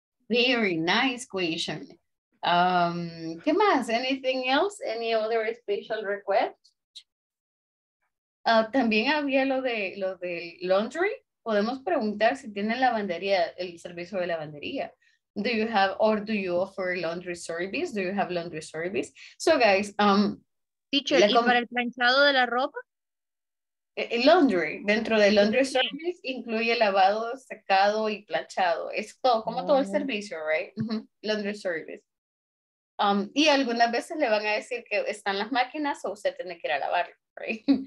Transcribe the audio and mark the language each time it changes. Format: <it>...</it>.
<en>Very nice question.</en> <es>¿Qué más?</es> <en>Anything else? Any other special request?</en> <es>También había lo de</es> <en>laundry.</en> <es>Podemos preguntar si tienen lavandería, el servicio de lavandería.</es> <en>Do you have, or do you offer laundry service? Do you have laundry service? So guys,</en> <es>Teacher, ¿y para el planchado de la ropa?</es> <en>Laundry.</en> <es>Dentro de laundry service incluye lavado, secado y planchado. Es todo, como todo el servicio,</es> <en>right?</en> <es>Laundry service. Y algunas veces le van a decir que están las máquinas o usted tiene que ir a lavarlo,</es> <en>right?</en>